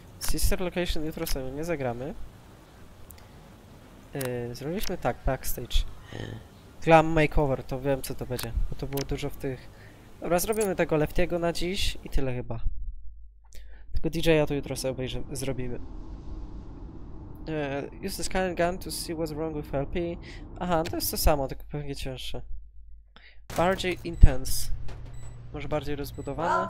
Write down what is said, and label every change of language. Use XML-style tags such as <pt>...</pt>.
<pl>Sister Location jutro sobie nie zagramy. Zrobiliśmy tak, backstage. Glam makeover, to wiem co to będzie, bo to było dużo w tych... Dobra, zrobimy tego Leftiego na dziś i tyle chyba. Tego DJ-a to jutro sobie obejrzymy, zrobimy.</pl> <en>Use the scan gun to see what's wrong with LP.</en> <pl>Aha, to jest to samo, tylko pewnie cięższe. Bardziej intense. Może bardziej rozbudowane?</pl>